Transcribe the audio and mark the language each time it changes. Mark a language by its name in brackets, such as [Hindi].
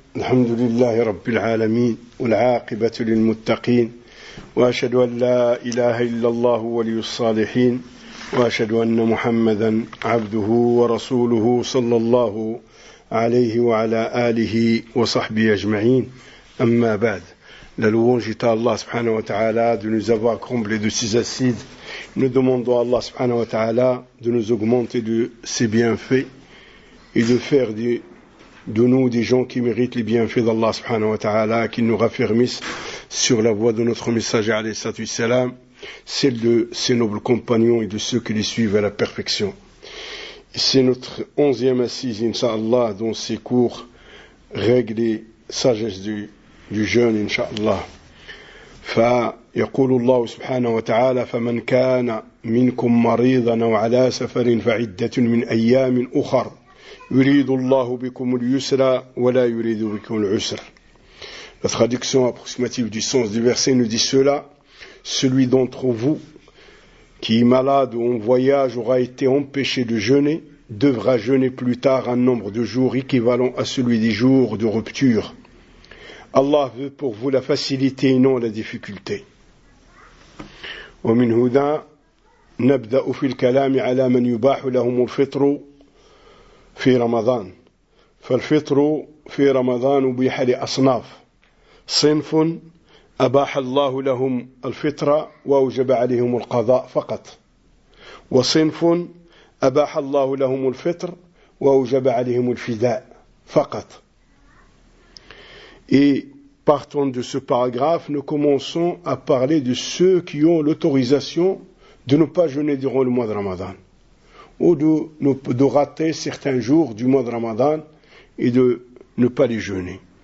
[Arabic] الحمد لله رب العالمين والعاقبة للمتقين، وأشهد أن لا إله إلا الله ولي الصالحين، وأشهد أن محمدا عبده ورسوله صلى الله عليه وعلى آله وصحبه أجمعين. أما بعد، للوون جيتا الله سبحانه وتعالى [French] de nous avoir comblé de ses assises. Nous demandons à Allah سبحانه وتعالى de nous augmenter de ses bienfaits et de faire de nous des gens qui méritent les bienfaits d'Allah subhanahu wa ta'ala, qu'il nous raffermisse sur la voie de notre messager alayhi salatu wassalam, celle de ses nobles compagnons et de ceux qui les suivent à la perfection. C'est notre 11e assise, incha'Allah, dans ces cours réglés, sagesse du jeûne, incha'Allah. [Arabic] Fa yaqulu Allah subhanahu wa ta'ala, fa man kana minkum maridana wa ala safarin fa iddatun min ayyamin ukhar. يريد الله بكم اليسر ولا يريد بكم العسر. [French] La traduction approximative du sens du verset nous dit cela: celui d'entre vous qui est malade ou en voyage aura été empêché de jeûner, devra jeûner plus tard un nombre de jours équivalent à celui des jours de rupture. Allah veut pour vous la facilité et non la difficulté. [Arabic] ومن هنا نبدأ في الكلام على من يباح لهم الفطر في رمضان. فالفطر في رمضان أبيح لأصناف: صنف أباح الله لهم الفطر وأوجب عليهم القضاء فقط، وصنف أباح الله لهم الفطر وأوجب عليهم الفداء فقط. [French] Et partant de ce paragraphe, nous commençons à parler de ceux qui ont l'autorisation de ne pas jeûner durant le mois de Ramadan ou de rater certains jours du mois de Ramadan et de ne pas les jeûner.